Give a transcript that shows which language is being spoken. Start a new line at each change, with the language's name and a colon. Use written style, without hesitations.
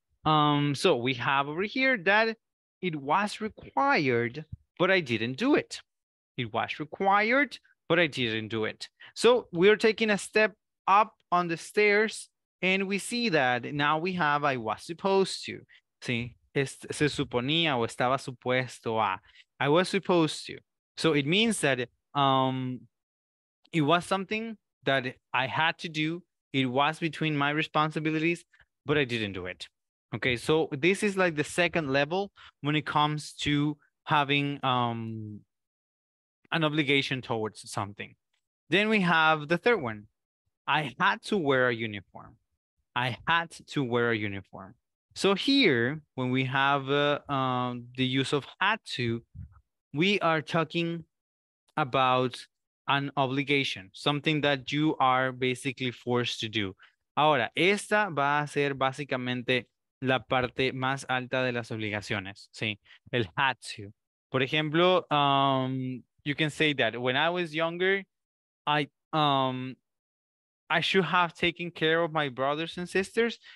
English: So we have over here that it was required, but I didn't do it. It was required, but I didn't do it. So we're taking a step up on the stairs and we see that now we have, I was supposed to.
Spanish: ¿Sí? Se suponía o estaba supuesto a,
English: I was supposed to. So it means that it was something that I had to do. It was between my responsibilities, but I didn't do it. Okay, so this is like the second level when it comes to having an obligation towards something. Then we have the third one. I had to wear a uniform. I had to wear a uniform. So here, when we have the use of had to, we are talking about an obligation, something that you are basically forced to do.
Spanish: Ahora, esta va a ser básicamente la parte más alta de las obligaciones, ¿sí? El had to. Por ejemplo,
English: you can say that when I was younger, I should have taken care of my brothers and sisters.